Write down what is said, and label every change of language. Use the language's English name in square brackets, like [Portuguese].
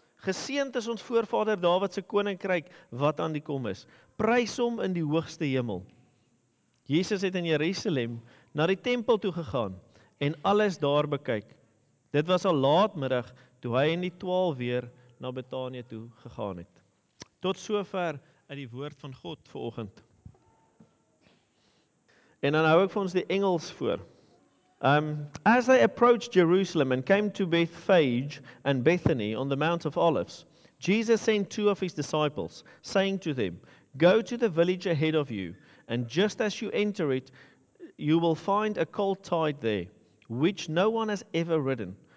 [Afrikaans] Geseend is ons voorvader Dawid se koninkryk wat aan die kom is. Prys hom in die hoogste hemel. Jesus het in Jerusalem na die tempel toe gegaan en alles daar bekyk. Dit was al laatmiddag toe hy in die 12 weer na Betanië toe gegaan het. Tot sover uit die woord van God vanoggend. En dan hou ek vir ons die Engels voor. [English] As they approached Jerusalem and came to Bethphage and Bethany on the Mount of Olives, Jesus sent two of his disciples, saying to them, go to the village ahead of you, and just as you enter it, you will find a colt tied there, which no one has ever ridden.